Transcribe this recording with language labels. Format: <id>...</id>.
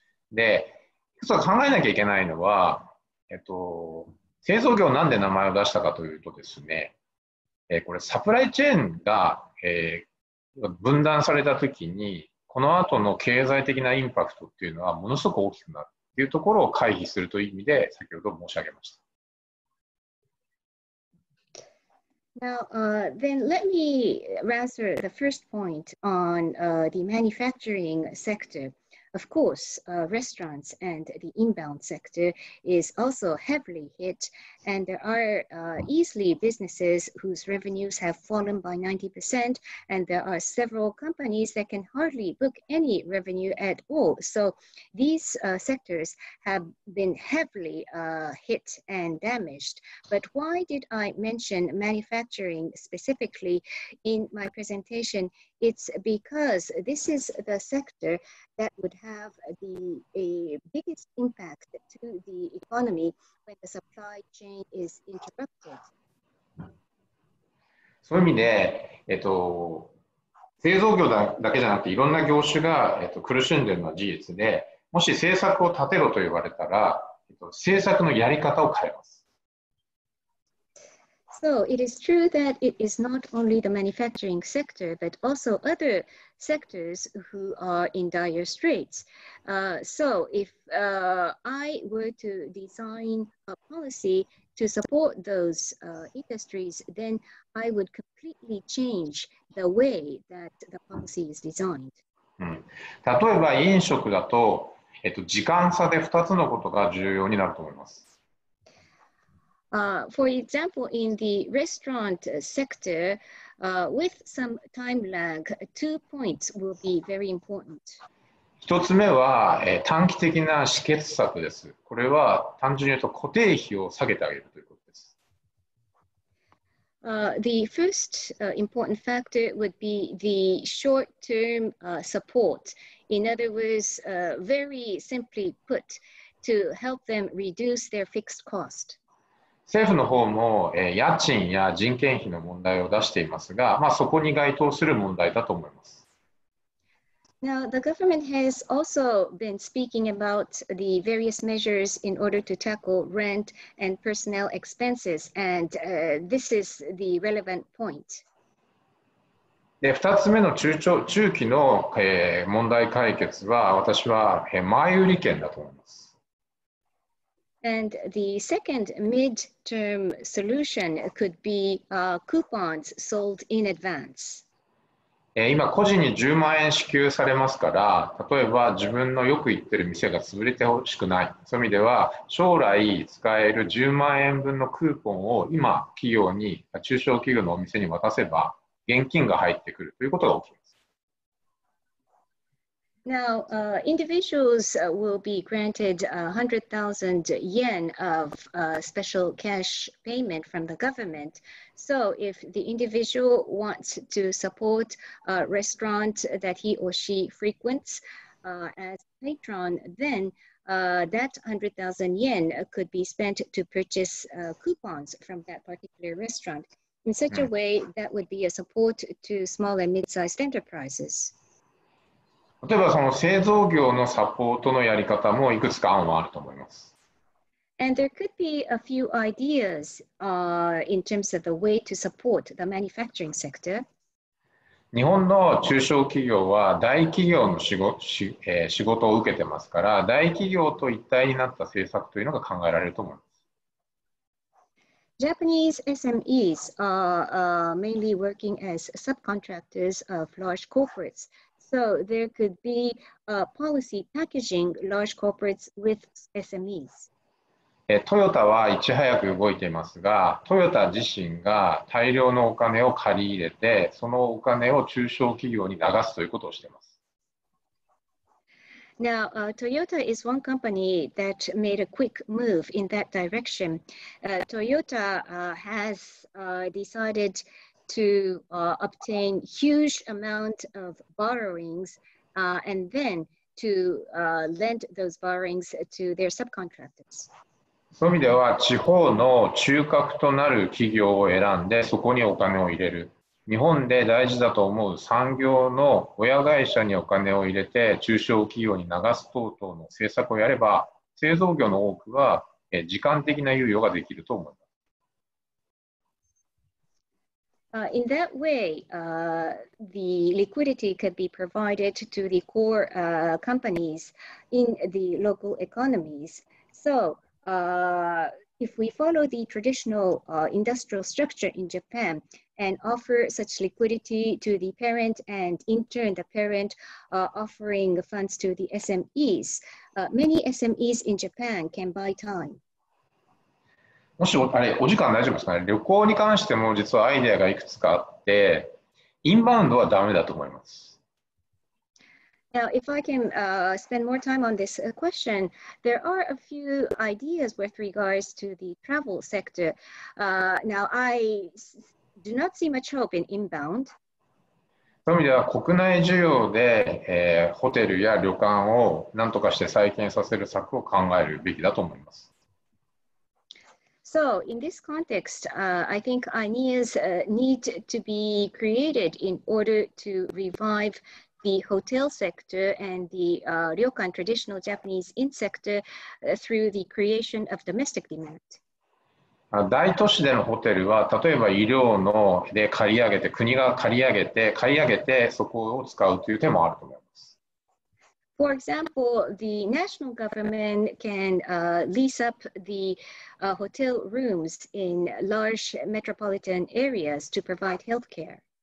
<ja>で、一つ考えなきゃいけないのは、製造業なんで名前を出したかというとですね、これサプライチェーンが、分断されたときに、この後の経済的なインパクトっていうのはものすごく大きくなるっていうところを回避するという意味で先ほど申し上げました。</ja> <en>Now, then let me answer the first point on the manufacturing sector. Of course, restaurants and the inbound sector is also heavily hit, and there are easily businesses whose revenues have fallen by 90%, and there are several companies that can hardly book any revenue at all. So these sectors have been heavily hit and damaged. But why did I mention manufacturing specifically in my presentation? It's because this is the sector that would have the biggest impact to the economy when the supply chain is interrupted.</en> <ja>そういう意味で、製造業だけじゃなくていろんな業種が、苦しんでいるのは事実で、もし政策を立てろと言われたら、政策のやり方を変えます。</ja> <en>So it is true that it is not only the manufacturing sector, but also other sectors who are in dire straits. So if I were to design a policy to support those industries, then I would completely change the way that the policy is designed.</en> <ja>例えば飲食だと、時間差で2つのことが重要になると思います。</ja> <en>For example, in the restaurant sector, with some time lag, two points will be very important.</en> <ja>一つ目は、短期的な止血策です。これは単純に言うと固定費を下げてあげるということです。</ja> <en>The first important factor would be the short-term support. In other words, very simply put, to help them reduce their fixed cost.</en> <ja>政府の方も、家賃や人件費の問題を出していますが、まあ、そこに該当する問題だと思います。</ja> <en>Now, the government has also been speaking about the various measures in order to tackle rent and personnel expenses, and this is the relevant point.</en> <ja>で、2つ目の中期の、問題解決は、私は、前売り券だと思います。</ja> <en>And the second mid-term solution could be coupons sold in advance.</en> <ja>今個人に10万円支給されますから、例えば自分のよく行ってる店が潰れてほしくない。そういう意味では、将来使える10万円分のクーポンを今企業に、中小企業のお店に渡せば、現金が入ってくるということが起きる。</ja> <en>Now, individuals will be granted 100,000 yen of special cash payment from the government. So if the individual wants to support a restaurant that he or she frequents as a patron, then that 100,000 yen could be spent to purchase coupons from that particular restaurant. In such a way, that would be a support to small and mid-sized enterprises.</en> <ja>例えばその製造業のサポートのやり方もいくつか案はあると思います。</ja> <en>And there could be a few ideas, in terms of the way to support the manufacturing sector.</en> <ja>日本の中小企業は大企業の仕事を受けてますから、大企業と一体になった政策というのが考えられると思います。</ja> <en>Japanese SMEs are mainly working as subcontractors of large corporates. So there could be a policy packaging large corporates with SMEs.</en> <ja>トヨタはいち早く動いていますが、トヨタ自身が大量のお金を借り入れて、そのお金を中小企業に流すということをしています。</ja> <en>Now, Toyota is one company that made a quick move in that direction. Toyota has decided to obtain huge amount of borrowings and then to lend those borrowings to their subcontractors.</en> <ja>そういう意味では、地方の中核となる企業を選んで、そこにお金を入れる。日本で大事だと思う産業の親会社にお金を入れて中小企業に流す等々の政策をやれば、製造業の多くは時間的な猶予ができると思います。</ja> <en>In that way, the liquidity could be provided to the core companies in the local economies. So, if we follow the traditional industrial structure in Japan,and offer such liquidity to the parent, and in turn the parent offering funds to the SMEs. Many SMEs in Japan can buy time.</en> <ja>もしあれお時間大丈夫ですかね。旅行に関しても実はアイデアがいくつかあって、インバウンドはダメだと思います。</ja> <en>Now, if I can spend more time on this question, there are a few ideas with regards to the travel sector. Do not see much hope in inbound.</en> <ja>そういう意味では国内需要で、ホテルや旅館を何とかして再建させる策を考えるべきだと思います。</ja> <en>So, in this context, I think ideas need to be created in order to revive the hotel sector and the ryokan traditional Japanese in sector through the creation of domestic demand.</en> <ja>大都市でのホテルは、例えば医療ので借り上げて、国が借り上げて、そこを使うという手もあると思います。</ja> <en>For example, the national government can lease up the hotel rooms in large metropolitan areas to provide healthcare.</en>